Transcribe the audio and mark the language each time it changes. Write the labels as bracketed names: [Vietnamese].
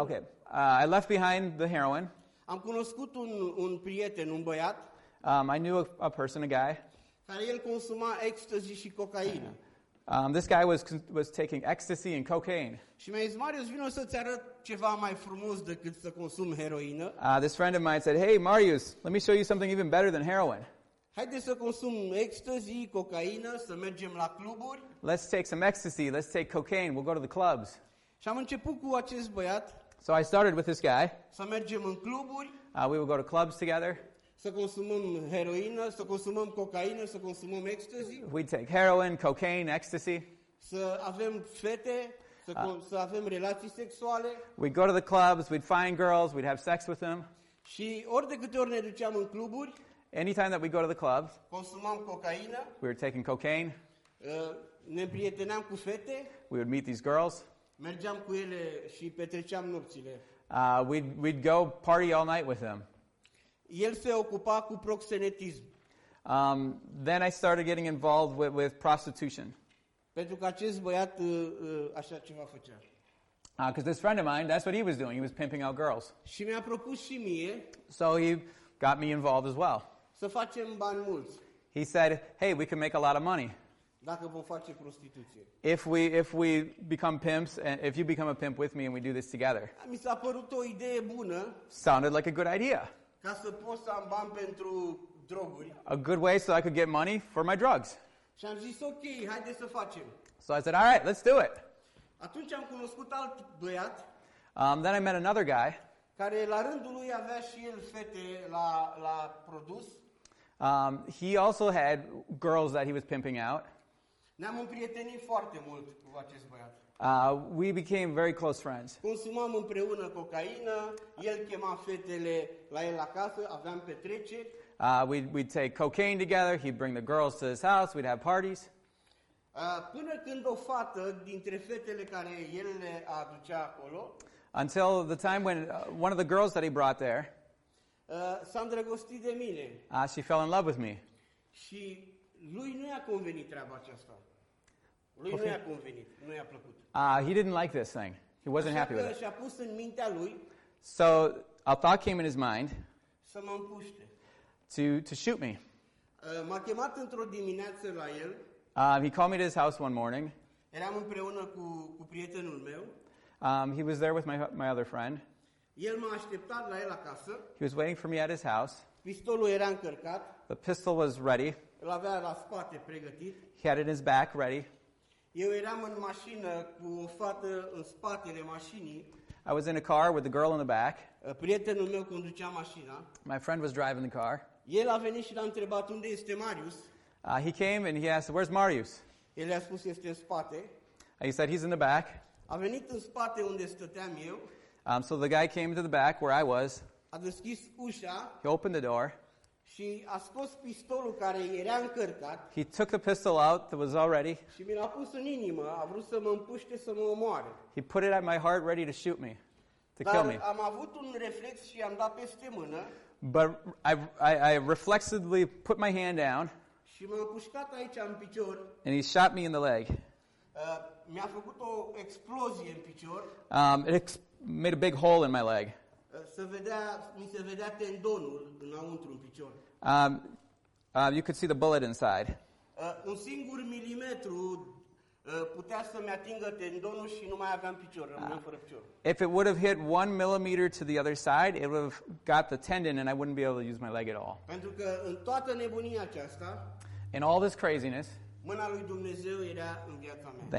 [English] Okay. I left behind the heroin. [Romanian] Am cunoscut un prieten, un băiat. [English] I knew a person, a guy. [Romanian] Care el consuma ecstasy și cocaină. [English] This guy was taking ecstasy and cocaine. [Romanian] Și mi-a zis, Marius, vino să-ți arăt ceva mai frumos decât să consum heroină. [English] This friend of mine said, hey, Marius, let me show you something even better than heroin. [Romanian] Haide să consum ecstasy, cocaină, să mergem la cluburi. [English] Let's take some ecstasy, let's take cocaine, we'll go to the clubs. [Romanian] Și am început cu acest băiat. [English] So I started with this guy. [Romanian] Să mergem în cluburi. [English] We would go to clubs together. [Romanian] Să consumăm heroină, să consumăm cocaină, să consumăm ecstasy. [English] We take heroin, cocaine, ecstasy. [Romanian] Să avem fete, să avem relații sexuale. [English] We go to the clubs, we'd find girls, we'd have sex with them. [Romanian] Și ori de câte ori ne duceam în cluburi. [English] Anytime that we go to the clubs. [Romanian] Consumam cocaină. [English] We were taking cocaine. [Romanian] Ne prieteneam cu fete. [English] We would meet these girls. [Romanian] Mergeam cu ele și petreceam nopțile. [English] We'd go party all night with them. [Romanian] El se ocupa cu proxenetism. [English] Then I started getting involved with prostitution. [Romanian] Pentru că acest băiat așa ceva făcea. [English] Because this friend of mine, that's what he was doing. He was pimping out girls. [Romanian] Și mi-a propus și mie. [English] So he got me involved as well. [Romanian] Să facem bani mulți. [English] He said, hey, we can make a lot of money. [Romanian] Dacă vom face prostituție. [English] If we become pimps, and if you become a pimp with me and we do this together. [Romanian] Mi s-a părut o idee bună. [English] Sounded like a good idea. [Romanian] Ca să pot să am bani pentru droguri. [English] A good way so I could get money for my drugs. [Romanian] Și am zis, ok, haide să facem. [English] So I said, all right, let's do it. [Romanian] Atunci am cunoscut alt băiat. [English] Then I met another guy. [Romanian] Care la rândul lui avea și el fete la produs. [English] He also had girls that he was pimping out. [Romanian] Ne-am împrietenit foarte mult cu acest băiat. [English] We became very close friends. [Romanian] Consumam împreună cocaină, el chema fetele la el acasă, aveam petreceri. [English] We'd take cocaine together, he'd bring the girls to his house, we'd have parties. [Romanian] Până când o fată dintre fetele care el le aducea acolo. [English] Until the time when one of the girls that he brought there. [Romanian] S-a îndrăgostit de mine. [English] She fell in love with me. [Romanian] Și lui nu i-a convenit treaba aceasta. Lui nu i-a convenit, nu i-a plăcut. [English] He didn't like this thing. He wasn't [Romanian] așa [English] happy with it. [Romanian] Și a pus în mintea lui. [English] So a thought came in his mind. [Romanian] Să mă împuște. [English] To shoot me. [Romanian] M-a chemat într-o dimineață la el. [English] He called me to his house one morning. [Romanian] Eram împreună cu prietenul meu. [English] He was there with my other friend. [Romanian] El m-a așteptat la el acasă. [English] He was waiting for me at his house. [Romanian] Pistolul era încărcat. [English] The pistol was ready. [Romanian] Îl avea la spate pregătit. [English] He had it in his back ready. [Romanian] Eu eram în mașină cu o fată în spatele mașinii. [English] I was in a car with the girl in the back. [Romanian] Prietenul meu conducea mașina. [English] My friend was driving the car. [Romanian] El a venit și l-a întrebat unde este Marius. [English] He came and he asked, where's Marius? [Romanian] El a spus, este în spate. [English] He said, he's in the back. [Romanian] A venit în spate unde stăteam eu. [English] So the guy came to the back where I was. [Romanian] A deschis ușa. [English] He opened the door. [Romanian] Și a scos pistolul care era încărcat. [English] He took the pistol out that was already. [Romanian] Și mi l-a pus în inimă. A vrut să mă împuște să mă omoare. [English] He put it at my heart ready to shoot me. to kill me. [Romanian] Am avut un reflex și am dat peste mână. [English] But I reflexively put my hand down. [Romanian] Și m-a pușcat aici în picior. [English] And he shot me in the leg. [Romanian] Mi-a făcut o explozie în picior. [English] It made a big hole in my leg. [Romanian] Mi se vedea tendonul înăuntru în picior. [English] You could see the bullet inside. [Romanian] Un singur milimetru putea să-mi atingă tendonul și nu mai aveam picior, rămâneam fără picior. [English] If it would have hit 1 millimeter to the other side, it would have got the tendon and I wouldn't be able to use my leg at all. [Romanian] Pentru că în toată nebunia aceasta, [English] in all this craziness, [Romanian] mâna lui Dumnezeu era în viața mea.